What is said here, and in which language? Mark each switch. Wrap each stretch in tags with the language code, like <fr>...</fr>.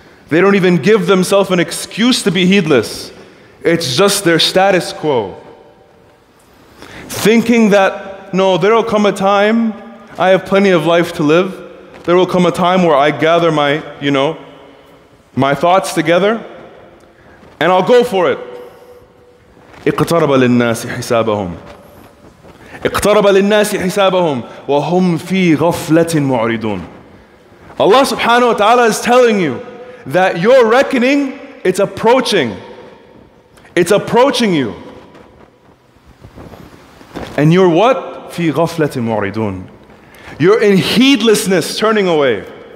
<en>They don't even give themselves an excuse to be heedless. It's just their status quo. Thinking that, no, there will come a time, I have plenty of life to live. There will come a time where I gather my thoughts together, and I'll go for it.</en> <ar>اِقْتَرَبَ لِلنَّاسِ حِسَابَهُمْ اقترب للناس حسابهم وهم في غفلة معرضون.</ar> <en>Allah subhanahu wa ta'ala is telling you that your reckoning, it's approaching. It's approaching you. And you're what?</en> <ar>في غفلة معرضون.</ar> <en>You're in heedlessness turning away.</en>